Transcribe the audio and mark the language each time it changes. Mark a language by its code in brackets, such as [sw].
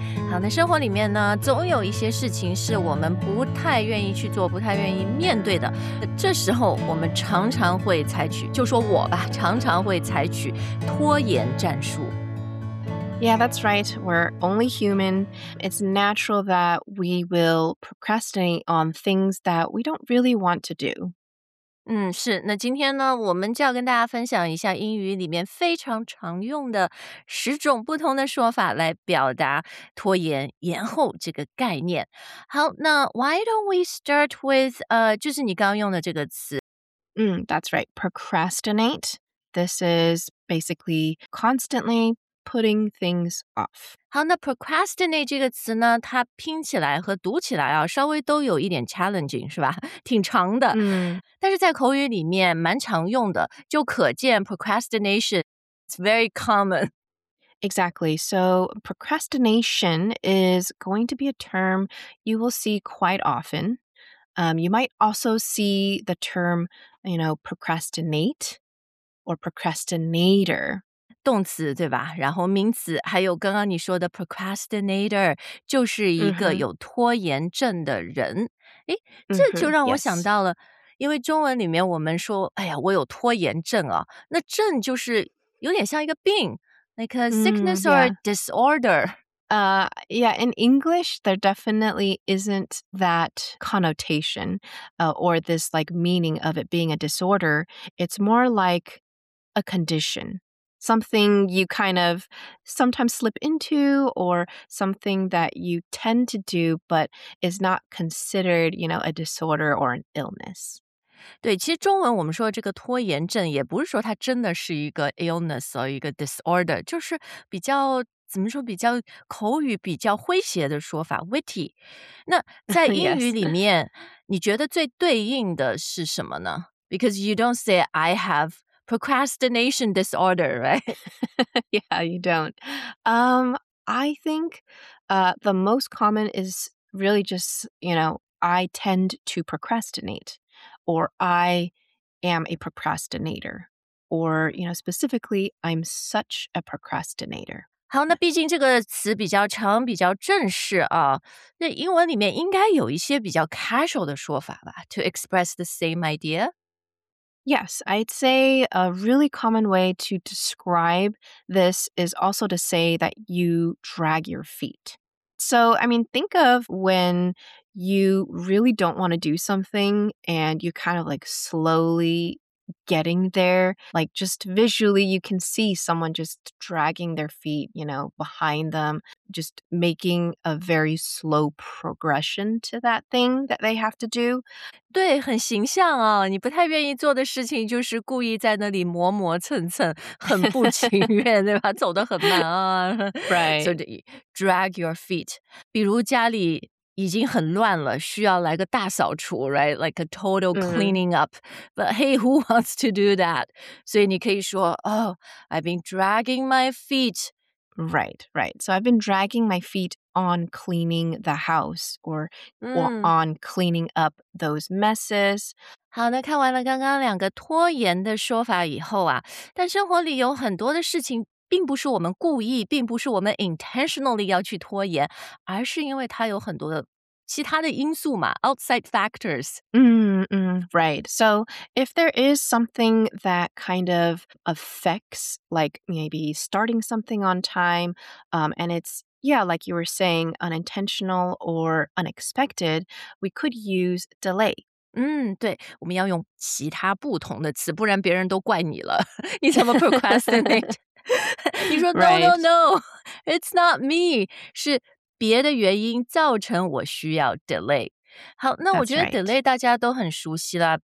[zh] 好，那生活里面呢，总有一些事情是我们不太愿意去做，不太愿意面对的。这时候我们常常会采取，就说我吧，常常会采取拖延战术。 [en] Yeah, that's right. We're only human. It's natural that we will procrastinate on things that we don't really want to do. [zh] 是。那今天呢，我们就要跟大家分享一下英语里面非常常用的十种不同的说法来表达拖延、延后这个概念。好，那 [en] why don't we start with, [zh] 就是你刚用的这个词。 [en] That's right. Procrastinate. This is basically constantly,putting things off. [zh] 好，那 procrastinate 这个词呢，它拼起来和读起来啊，稍微都有一点 [en] challenging， [zh] 是吧？挺长的。但是在口语里面蛮常用的，就可见 [en] procrastination is very common. Exactly. So procrastination is going to be a term you will see quite often. You might also see the term, you know, procrastinate or procrastinator. [zh] 动词对吧，然后名词，还有刚刚你说的 procrastinator 就是一个有拖延症的人。这就让我想到了、因为中文里面我们说哎呀我有拖延症啊，那症就是有点像一个病， [en] like a sickness or a disorder. In English there definitely isn't that connotation or this like meaning of it being a disorder. It's more like a condition. Something you kind of sometimes slip into or something that you tend to do but is not considered, you know, a disorder or an illness. [zh] 对，其实中文我们说这个拖延症也不是说它真的是一个 illness 或一个 disorder, 就是比较怎么说比较口语比较诙谐的说法 [en] witty. [zh] 那在英语里面你觉得最对应的是什么呢？ [en] Because you don't say I haveprocrastination disorder, right? Yeah, you don't. I think the most common is really just, you know, I tend to procrastinate, or I am a procrastinator, or, you know, specifically, I'm such a procrastinator. [zh] 好，那毕竟这个词比较长，比较正式啊，那英文里面应该有一些比较 [en] casual [zh] 的说法吧 [en] to express the same idea? Yes, I'd say a really common way to describe this is also to say that you drag your feet. So, I mean, think of when you really don't want to do something and you kind of like slowly getting there, like just visually you can see someone just dragging their feet, you know, behind them, just making a very slow progression to that thing that they have to do. [zh] 对，很形象啊，你不太愿意做的事情就是故意在那里磨磨蹭蹭，很不情愿，对吧？走得很慢啊。 [en] Right. So drag your feet. [zh] 比如家里已经很乱了，需要来个大扫除 ，right? [en] Like a total cleaning up. But hey, who wants to do that? [zh] 所以你可以说 [en] ，Oh, I've been dragging my feet. Right, right. So I've been dragging my feet on cleaning the house or, or on cleaning up those messes. [zh] 好，那看完了刚刚两个拖延的说法以后啊，但生活里有很多的事情。并不是我们故意，并不是我们 [en] intentionally [zh] 要去拖延，而是因为它有很多的其他的因素嘛 ， [en] outside factors. Right. So if there is something that kind of affects, like maybe starting something on time, and it's, yeah, like you were saying, unintentional or unexpected, we could use delay. [zh] 对，我们要用其他不同的词，不然别人都怪你了。你怎么 procrastinate？你说 [en] no, no, no, it's not me. [zh] 是别的原因造成我需要 delay. 好，那我觉得 delay 大家都很熟悉了。